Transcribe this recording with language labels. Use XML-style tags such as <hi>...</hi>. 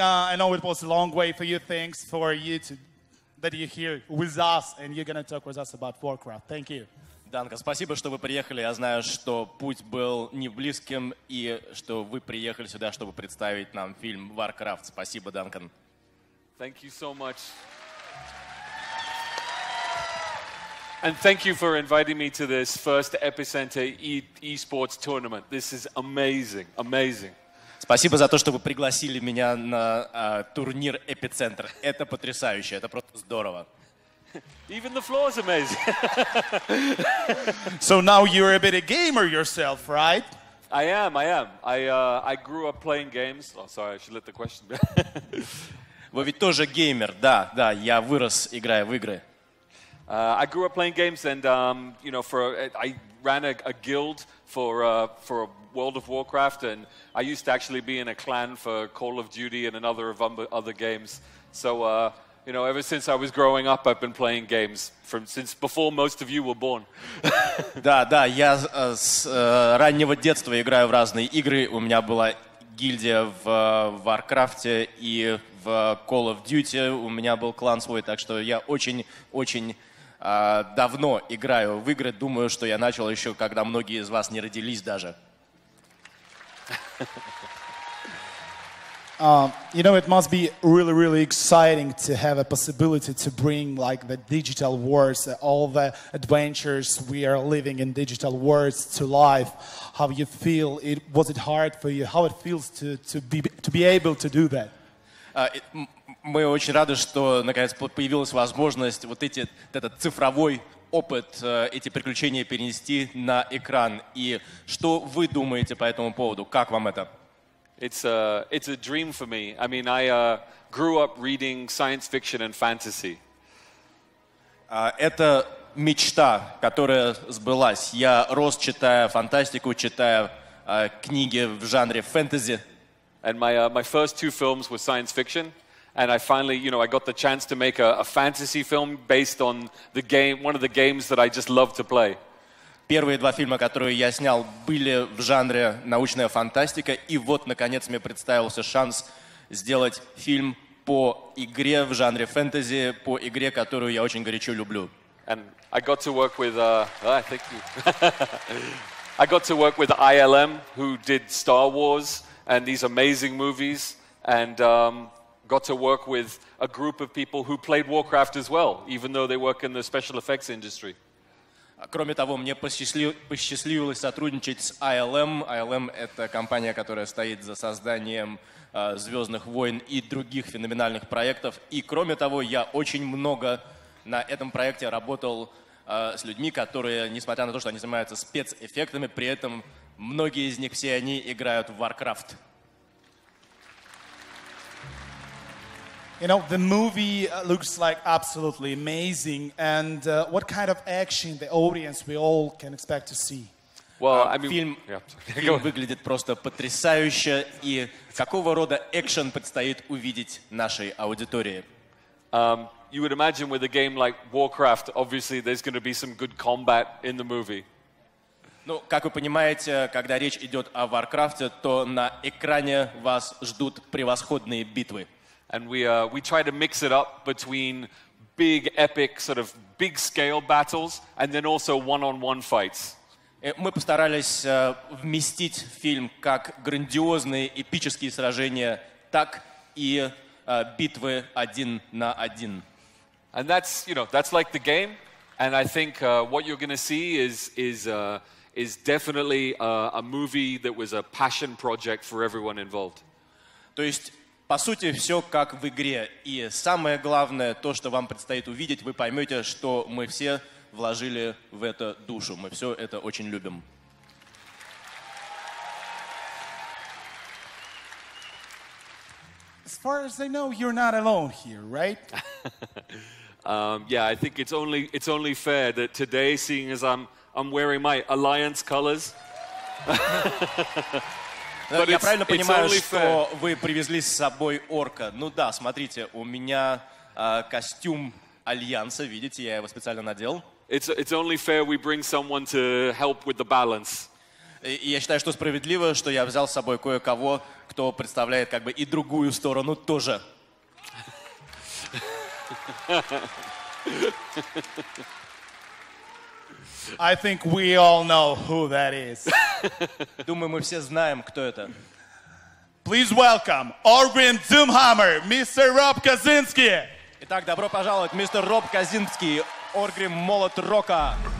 <en>I know it was a long way for you. Thanks for you to that you're here with us, and you're going to talk with us about Warcraft. Thank you.</en> <ru>Duncan, спасибо, что вы приехали. Я знаю, что путь был не близким, и что вы приехали сюда, чтобы представить нам фильм Warcraft. Спасибо, Duncan.</ru> <en>Thank you so much. And thank you for inviting me to this first Epicenter eSports tournament. This is amazing, amazing.</en> <ru>Спасибо за то, что вы пригласили меня на турнир Эпицентр. Это потрясающе, это просто здорово.</ru> <en>Even the floor is amazing. So now you're a bit a gamer yourself, right? I am, I am. I grew up playing games. Oh, sorry, I should let the question be.</en> <ru>Вы ведь тоже геймер, да, да, я вырос, играя в игры.</ru> <en>I grew up playing games and, you know, for I ran a guild for World of Warcraft, and I used to actually be in a clan for Call of Duty and another of other games. So, you know, ever since I was growing up, I've been playing games since before most of you were born.</en> <ru>Да, да, я с раннего детства играю в разные игры. У меня была гильдия в Warcraft и в Call of Duty. У меня был клан свой, так что я очень-очень... давно играю в игры, думаю, что я начал еще, когда многие из вас не родились даже.</ru> <en>You know, it must be really, really exciting to have a possibility to bring like the digital worlds, all the adventures we are living in digital worlds to life. How you feel? It was it hard for you? How it feels to be able to do that?</en> <ru>Мы очень рады, что наконец появилась возможность вот этот цифровой опыт, эти приключения перенести на экран. И что вы думаете по этому поводу? Как вам это?</ru> <en>It's a dream for me. I mean, I grew up reading science fiction and fantasy.</en> <ru>Это мечта, которая сбылась. Я рос, читая фантастику, читая книги в жанре фэнтези.</ru> <en>And my first two films were science fiction. And I finally, you know, I got the chance to make a fantasy film based on the game, one of the games that I just love to play.</en> <ru>Первые два фильма, которые я снял, были в жанре научная фантастика, и вот наконец мне представился шанс сделать фильм по игре в жанре фэнтези, по игре, которую я очень горячо люблю.</ru> <en>And I got to work with thank you. I got to work with ILM, who did Star Wars and these amazing movies, and got to work with a group of people who played Warcraft as well, even though they work in the special effects industry.</en> <ru>Кроме того, мне посчастливилось сотрудничать с ILM. ILM — это компания, которая стоит за созданием «Звездных войн» и других феноменальных проектов. И кроме того, я очень много на этом проекте работал с людьми, которые, несмотря на то, что они занимаются спецэффектами, при этом многие из них, все они играют в Warcraft.</ru> <en>You know, the movie looks like absolutely amazing. And what kind of action the audience we all can expect to see? Well, I mean,</en> <ru>фильм,</ru> <en>yeah.</en> <ru>Фильм выглядит просто потрясающе. И какого рода экшен предстоит увидеть нашей аудитории?</ru> <en>You would imagine with a game like Warcraft, obviously there's going to be some good combat in the movie.</en> <ru>Ну, как вы понимаете, когда речь идет о Варкрафте, то на экране вас ждут превосходные битвы.</ru> <en>And we try to mix it up between big, epic, sort of big scale battles, and then also one-on-one fights.</en> <ru>Мы постарались вместить в фильм как грандиозные эпические сражения, так и битвы один на один.</ru> <en>And that's, you know, that's like the game. And I think what you're going to see is definitely a movie that was a passion project for everyone involved.</en> <ru>То есть по сути, все как в игре. И самое главное, то, что вам предстоит увидеть, вы поймете, что мы все вложили в это душу. Мы все это очень любим.</ru> <en>As far as I know, you're not alone here, right? yeah, I think it's only fair that today, seeing as I'm wearing my Alliance colors... But</en> <ru>я правильно понимаю, что вы привезли с собой орка? Ну да, смотрите, у меня костюм Альянса, видите, я его специально надел.</ru> <en>It's only fair we bring someone to help with the balance.</en> <ru>И я считаю, что справедливо, что я взял с собой кое-кого, кто представляет как бы и другую сторону тоже.</ru> <en>I think we all know who that is.</en> <ru>Думаю, мы все знаем, кто это.</ru> <en>Please welcome Orbin Doomhammer, Mr. Rob Kaczynski.</en> <ru>Итак, добро пожаловать, мистер Роб Казински, Оргрим Молот Рока.</ru>